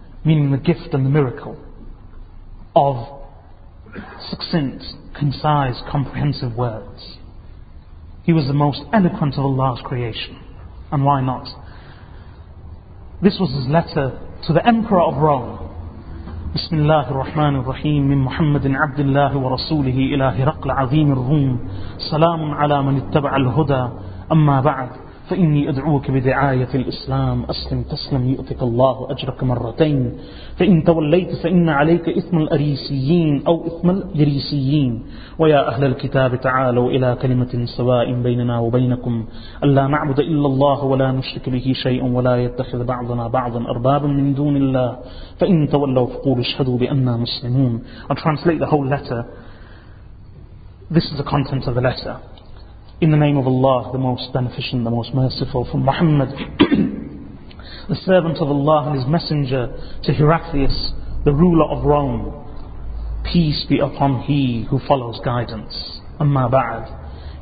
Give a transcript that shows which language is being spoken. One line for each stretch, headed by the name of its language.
English: meaning the gift and the miracle of succinct, concise, comprehensive words. He was the most eloquent of Allah's creation. And why not? This was his letter to the Emperor of Rome.
Arabic: بسم الله الرحمن الرحيم من محمد عبد الله ورسوله إلى هرقل عظيم الروم سلام على من اتبع الهدى أما بعد فإني أدعوك بدعاية الإسلام أسلم تسلم يؤتك الله أجرك مرتين فإن توليت فإن عليك إثم الأريسيين أو إثم الجريسيين ويا أهل الكتاب تعالوا إلى كلمة سواء بيننا وبينكم ألا نعبد إلا الله ولا نشرك به شيئا ولا يتخذ بعضنا بعضا أربابا من دون الله فإن تولوا فقولوا اشهدوا بأننا مسلمون.
English: I'll translate the whole letter. This is the content of the letter. In the name of Allah, the most beneficent, the most merciful, from Muhammad, the servant of Allah and his messenger, to Heraclius, the ruler of Rome. Peace be upon he who follows guidance. Amma ba'd.